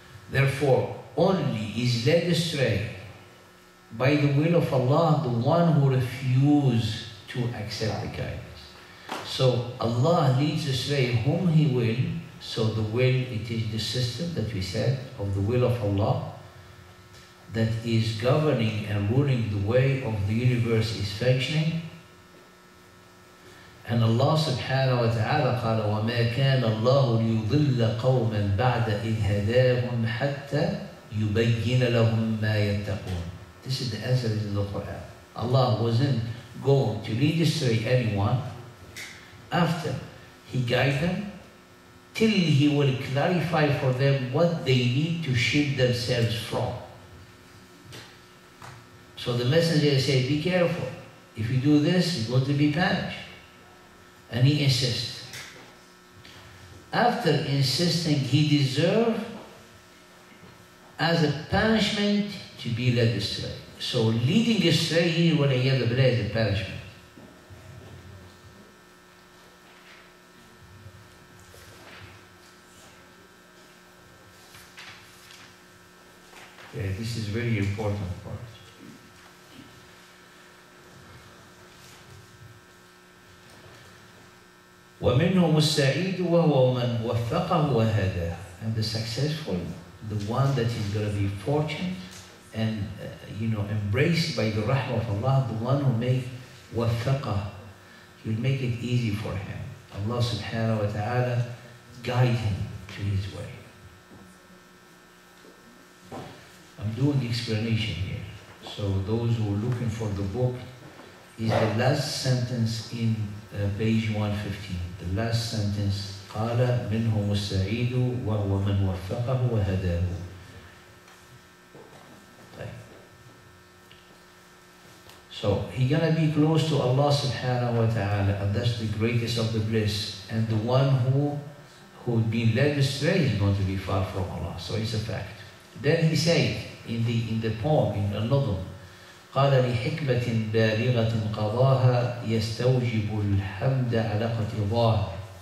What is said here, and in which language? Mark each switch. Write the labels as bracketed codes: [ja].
[en] Therefore, only is led astray by the will of Allah the one who refuse to accept the guidance. So Allah leads astray whom he will. So the will, it is the system that we said of the will of Allah that is governing and ruling the way of the universe is functioning. And Allah [ar] subhanahu wa ta'ala قال وَمَا كَانَ اللَّهُ لِيُضِلَّ قَوْمًا بَعْدَ إِذْ هَدَاهُمْ حَتَّى يُبَيِّنَ لَهُمْ مَا يَتَّقُونَ. [en] This is the answer in the Quran. Allah wasn't going to lead astray anyone after he guides them, till he will clarify for them what they need to shield themselves from. So the messenger said, be careful. If you do this, you're going to be punished. And he insists. After insisting, he deserved as a punishment to be led astray. So leading astray here, when he had the blade, is a punishment. Okay, this is a very important part. [ar] ومنهم السعيد وهو من وفقه وهداه. [en] And the successful, the one that is going to be fortunate and embraced by the rahmah of Allah, the one who make وفقه, he'll make it easy for him. Allah subhanahu wa ta'ala guide him to his way. I'm doing the explanation here. So those who are looking for the book, is the last sentence in page 115. The last sentence, [ar] قال منهم السعيد وهو من وفقه وهداه. [en] So he's gonna be close to Allah subhanahu wa ta'ala, and that's the greatest of the bliss. And the one who had been led astray is going to be far from Allah. So it's a fact. Then he said in the poem, in the nadhm, [ar] قال لحكمة بالغة قضاها يستوجب الحمد على قضاها.